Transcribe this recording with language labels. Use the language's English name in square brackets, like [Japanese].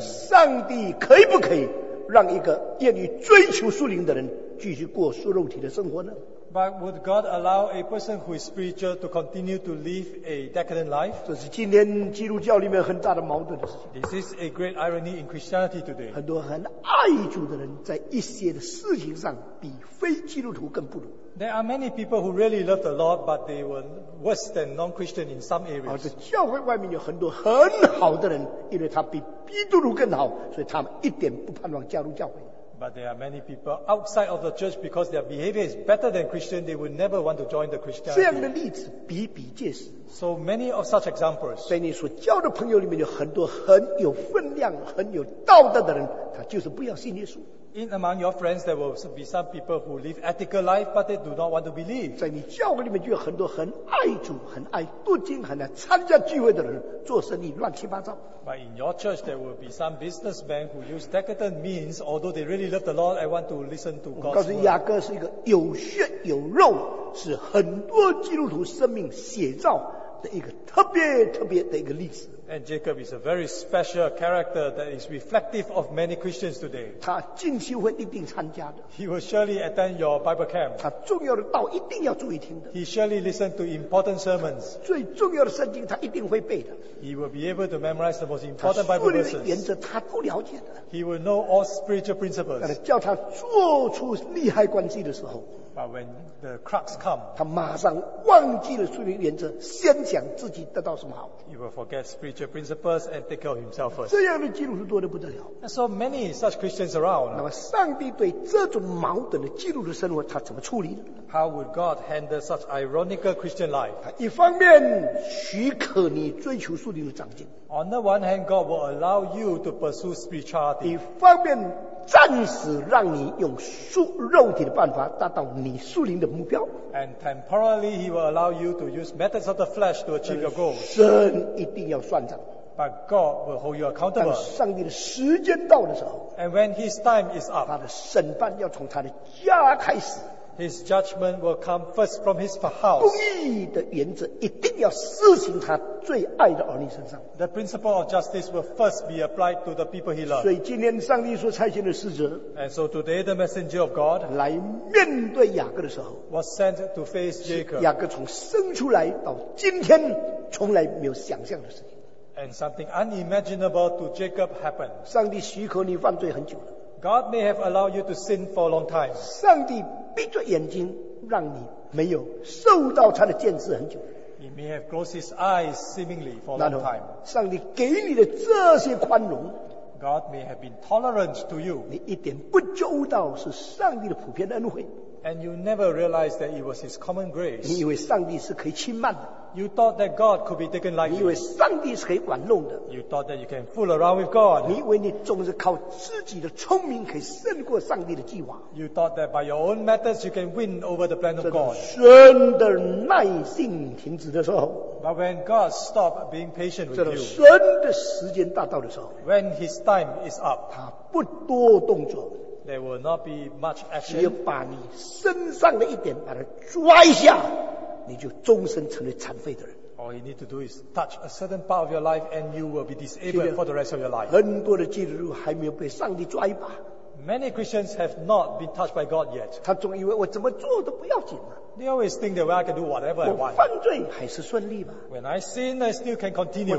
[Chinese] 是上帝可以不可以让一个愿意追求属灵的人继续过属肉体的生活呢？ [English] But would God allow a person who is spiritual to continue to live a decadent life? [Chinese] 这是今天基督教里面很大的矛盾的事情。 [English] This is a great irony in Christianity today. [Chinese] 很多很爱主的人在一些的事情上比非基督徒更不如。 [English] There are many people who really love the Lord, but they were worse than non-Christian in some areas. [Chinese] 而在教会外面有很多很好的人，因为他比基督徒更好，所以他们一点不盼望加入教会。 [English] But there are many people outside of the church because their behavior is better than Christian, they would never want to join the Christianity. [Chinese] 这样的例子比比皆是。 [English] So many of such examples. [Chinese] 在你所交的朋友里面有很多很有分量、很有道德的人，他就是不要信耶稣。 [English] In among your friends, there will be some people who live ethical life, but they do not want to believe. [Chinese] 在你教会里面就有很多很爱主、很爱读经、很爱参加聚会的人，做生意乱七八糟。 [English] But in your church, there will be some businessmen who use decadent means, although they really love the Lord and want to listen to God's word. [Chinese] 我告诉雅各是一个有血有肉，是很多基督徒生命写照的一个特别特别的一个例子。 [English] And Jacob is a very special character that is reflective of many Christians today. [Chinese] 他进修会一定参加的。 [English] He will surely attend your Bible camp. [Chinese] 他重要的道一定要注意听的。 [English] He surely listen to important sermons. [Chinese] 最重要的圣经他一定会背的。 [English] He will be able to memorize the most important Bible verses. [Chinese] 他属灵的原则他都了解的。 [English] He will know all spiritual principles. [Chinese] 但是叫他做出利害关系的时候。 [English] But when the crux come, [Chinese] 他马上忘记了属灵原则，先想自己得到什么好。 [English] He will forget spiritual principles and take care of himself first. [Chinese] 这样的基督徒多得不得了。 [English] And so many such Christians around. [Chinese] 那么上帝对这种矛盾的基督徒生活，他怎么处理呢？ [English] How would God handle such ironical Christian life? [Chinese] 他一方面许可你追求属灵的长进。 [English] On the one hand, God will allow you to pursue spirituality. [Chinese] 一方面暂时让你用肉体的办法达到你属灵的目标。 [English] And temporarily he will allow you to use methods of the flesh to achieve your goal. [Chinese] 神一定要算账。 [English] But God will hold you accountable. [Chinese] 当上帝的时间到的时候。 [English] And when his time is up. [Chinese] 他的审判要从他的家开始。 [English] His judgment will come first from his house. [Chinese] 公义的原则一定要施行他最爱的儿女身上。 [English] The principle of justice will first be applied to the people he loves. [Chinese] 所以今天上帝所差遣的使者 [English] ，And so today the messenger of God [Chinese] 来面对雅各的时候 [English] ，was sent to face Jacob. [Chinese] 雅各从生出来到今天，从来没有想象的事情。 [English] And something unimaginable to Jacob happened. [Chinese] 上帝许可你犯罪很久了。 [English] God may have allowed you to sin for a long time. [Chinese] 上帝闭着眼睛让你没有受到他的见识很久。 [English] He may have closed his eyes seemingly for a long time. [Chinese] 上帝给你的这些宽容。 [English] God may have been tolerant to you. [Chinese] 你一点不周到是上帝的普遍恩惠。 [English] And you never realized that it was his common grace. [Chinese] 你以为上帝是可以轻慢的。 [English] You thought that God could be taken lightly. [Chinese] 你以为上帝是可以玩弄的。 [English] You thought that you can fool around with God. [Chinese] 你以为你总是靠自己的聪明可以胜过上帝的计划。 [English] You thought that by your own methods you can win over the plan of God. [Chinese] 神的耐性停止的时候。 [English] But when God stopped being patient with you. [Chinese] 神的时间大到的时候。 [English] When his time is up. [Chinese] 他不多动作。 [English] There will not be much action. [Chinese] 只有把你身上的一点把它抓一下。你就终身成为残废的人。 [English] All you need to do is touch a certain part of your life, and you will be disabled for the rest of your life. [Chinese] 很多的基督徒还没有被上帝抓一把。 [English] Many Christians have not been touched by God yet. [Chinese] 他总以为我怎么做都不要紧嘛。 [English] They always think that well, I can do whatever I want. [Chinese] 我犯罪还是顺利嘛。 [English] When I sin, I still can continue.